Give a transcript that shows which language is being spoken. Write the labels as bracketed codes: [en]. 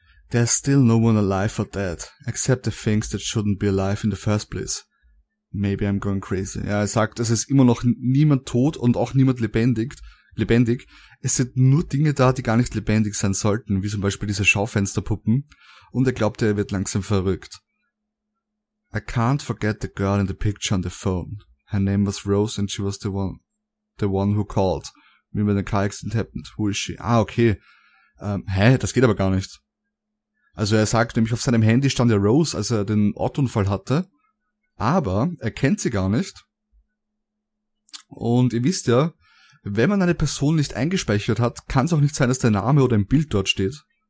[en] There's still no one alive or dead, except the things that shouldn't be alive in the first place. Maybe I'm going crazy. [de] Ja, er sagt, es ist immer noch niemand tot und auch niemand lebendig. Es sind nur Dinge da, die gar nicht lebendig sein sollten, wie zum Beispiel diese Schaufensterpuppen. Und er glaubt, er wird langsam verrückt. [en] I can't forget the girl in the picture on the phone. Her name was Rose and she was the one who called me when the car accident happened. Who is she? [de] Ah, okay. Das geht aber gar nicht. Also er sagt nämlich, auf seinem Handy stand ja Rose, als er den Autounfall hatte. Aber er kennt sie gar nicht. Und ihr wisst ja, wenn man eine Person nicht eingespeichert hat, kann es auch nicht sein, dass der Name oder ein Bild dort steht.